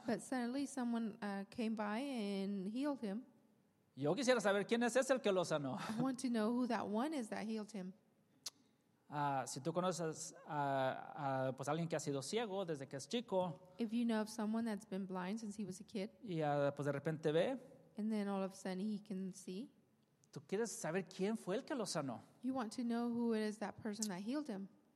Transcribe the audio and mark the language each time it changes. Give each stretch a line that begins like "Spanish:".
English: But suddenly someone came by and healed him.
Spanish: Yo quisiera saber quién es ese el que lo sanó.
English: I want to know who that one is that healed him.
Spanish: Si tú conoces pues alguien que ha sido ciego desde que es chico.
English: If you know of someone that's been blind since he was a kid.
Spanish: Y pues de repente ve.
English: And then all of a sudden he can see.
Spanish: ¿Tú quieres saber quién fue el que lo sanó?
English: You want to know who it is that person that healed him.